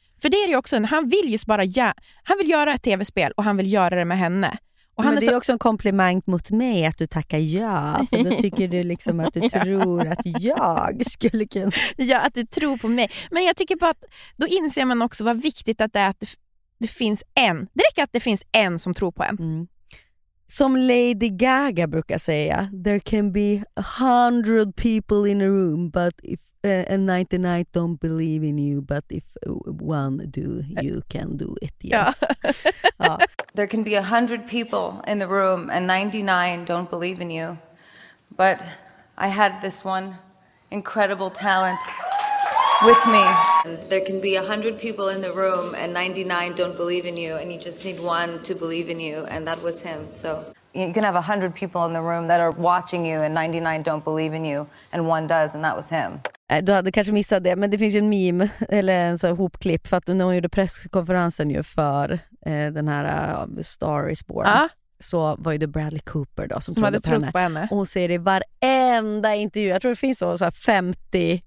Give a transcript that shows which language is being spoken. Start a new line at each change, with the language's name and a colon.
Swedish: För det är ju också, han vill just bara han vill göra ett tv-spel och han vill göra det med henne. Och men det är också en komplimang mot mig att du tackar ja. För då tycker du liksom att du tror att jag skulle kunna... Ja, att du tror på mig. Men jag tycker bara att då inser man också vad viktigt att det är att det finns en. Det räcker att det finns en som tror på en. Mm. Som Lady Gaga brukar säga,
English: there can be 100 people in a room but if and 99 don't believe in you but if one do you can do it. Yes.
Swedish: Ja.
English: There can be 100 people in the room and 99 don't believe in you but I had this one incredible talent with me. There can be 100 people in the room and 99 don't believe in you and you just need one to believe in you and that was him. So you can have 100 people in the room that are watching you and 99 don't believe in you and one does and that was him.
Swedish: Du hade kanske missat det, men det finns ju en meme eller en så hopklipp för att när hon gjorde presskonferensen ju för den här Star is Born. Ah. Så var ju det Bradley Cooper då som hade trott på henne. Och hon säger det i varenda intervju. Jag tror det finns så här 50.